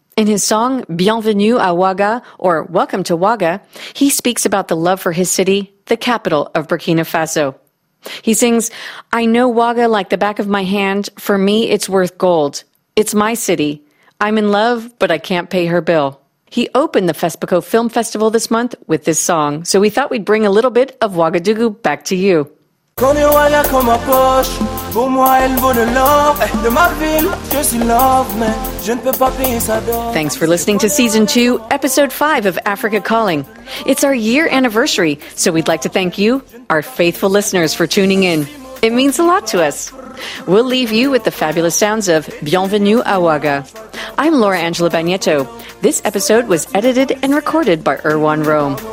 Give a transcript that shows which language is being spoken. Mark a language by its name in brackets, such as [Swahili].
[English] In his song, Bienvenue à Ouaga, or Welcome to Ouaga, he speaks about the love for his city, the capital of Burkina Faso. He sings, I know Ouaga like the back of my hand. For me, it's worth gold. It's my city. I'm in love, but I can't pay her bill. He opened the FESPACO Film Festival this month with this song, so we thought we'd bring a little bit of Ouagadougou back to you. [French] Comme Ouaga comme ma poche, pour moi elle vaut de l'or. De ma ville, je suis love, mais je ne peux pas payer sa dot. [English] Thanks for listening to Season 2, Episode 5 of Africa Calling. It's our year anniversary, so we'd like to thank you, our faithful listeners, for tuning in. It means a lot to us. We'll leave you with the fabulous sounds of Bienvenue à Ouaga. I'm Laura Angela Bagnetto. This episode was edited and recorded by Erwan Rome.